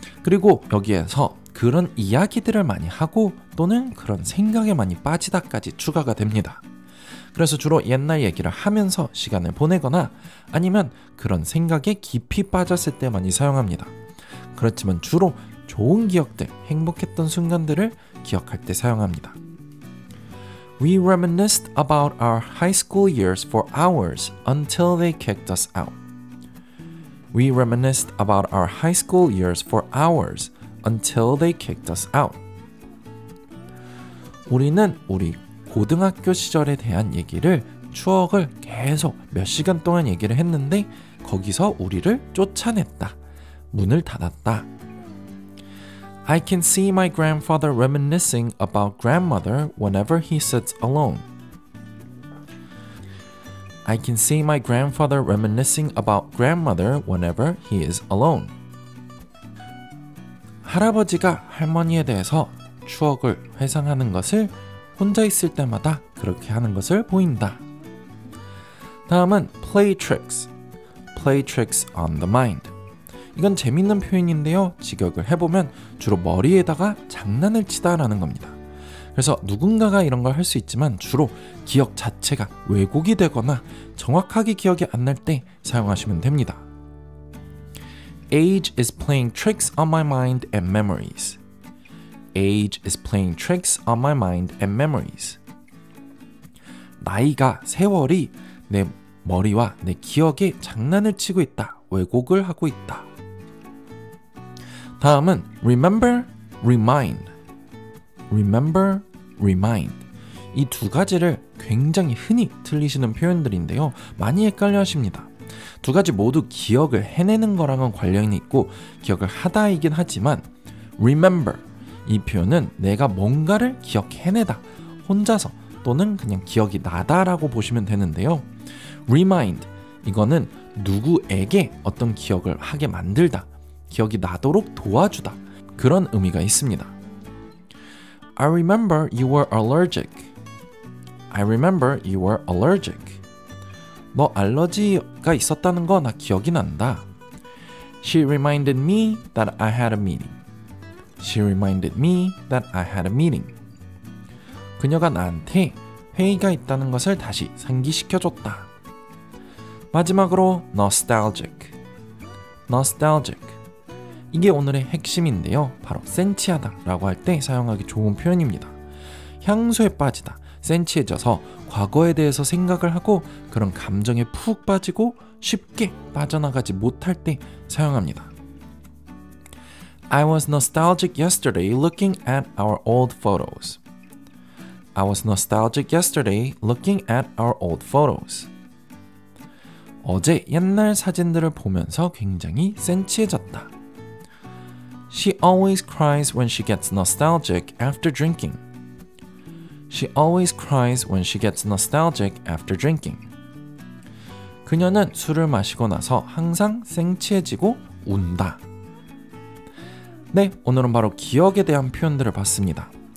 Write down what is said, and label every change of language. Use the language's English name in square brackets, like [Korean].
[Korean] 그리고 여기에서 그런 이야기들을 많이 하고 또는 그런 생각에 많이 빠지다까지 추가가 됩니다. 그래서 주로 옛날 얘기를 하면서 시간을 보내거나 아니면 그런 생각에 깊이 빠졌을 때 많이 사용합니다. 그렇지만 주로 좋은 기억들, 행복했던 순간들을 기억할 때 사용합니다. [English] We reminisced about our high school years for hours until they kicked us out. We reminisced about our high school years for hours until they kicked us out. [Korean] 우리는 우리 고등학교 시절에 대한 얘기를, 추억을 계속 몇 시간 동안 얘기를 했는데 거기서 우리를 쫓아냈다. 문을 닫았다. [English] I can see my grandfather reminiscing about grandmother whenever he sits alone. I can see my grandfather reminiscing about grandmother whenever he is alone. [Korean] 할아버지가 할머니에 대해서 추억을 회상하는 것을 혼자 있을 때마다 그렇게 하는 것을 보인다. 다음은 play tricks. Play tricks on the mind. 이건 재밌는 표현인데요. 직역을 해보면 주로 머리에다가 장난을 치다라는 겁니다. 그래서 누군가가 이런 걸 할 수 있지만 주로 기억 자체가 왜곡이 되거나 정확하게 기억이 안 날 때 사용하시면 됩니다. [English] Age is playing tricks on my mind and memories. Age is playing tricks on my mind and memories. [Korean] 나이가, 세월이 내 머리와 내 기억에 장난을 치고 있다. 왜곡을 하고 있다. 다음은 remember, remind. [English] remember, remind. [Korean] 이 두 가지를 굉장히 흔히 틀리시는 표현들인데요. 많이 헷갈려 하십니다. 두 가지 모두 기억을 해내는 거랑은 관련이 있고 기억을 하다이긴 하지만 remember 이 표현은 내가 뭔가를 기억해내다, 혼자서 또는 그냥 기억이 나다 라고 보시면 되는데요. remind 이거는 누구에게 어떤 기억을 하게 만들다, 기억이 나도록 도와주다, 그런 의미가 있습니다. [English] I remember you were allergic. I remember you were allergic. [Korean] 너 알러지가 있었다는 거 나 기억이 난다. [English] She reminded me that I had a meeting. She reminded me that I had a meeting. [Korean] 그녀가 나한테 회의가 있다는 것을 다시 상기시켜줬다. 마지막으로 nostalgic. Nostalgic. 이게 오늘의 핵심인데요. 바로 센치하다 라고 할 때 사용하기 좋은 표현입니다. 향수에 빠지다, 센치해져서 과거에 대해서 생각을 하고 그런 감정에 푹 빠지고 쉽게 빠져나가지 못할 때 사용합니다. [English] I was nostalgic yesterday looking at our old photos. I was nostalgic yesterday looking at our old photos. [Korean] 어제 옛날 사진들을 보면서 굉장히 센치해졌다. [English] She always cries when she gets nostalgic after drinking. She always cries when she gets nostalgic after drinking. [Korean] 그녀는 술을 마시고 나서 항상 생치해지고 운다. 네, 오늘은 바로 기억에 대한 표현들을 봤습니다.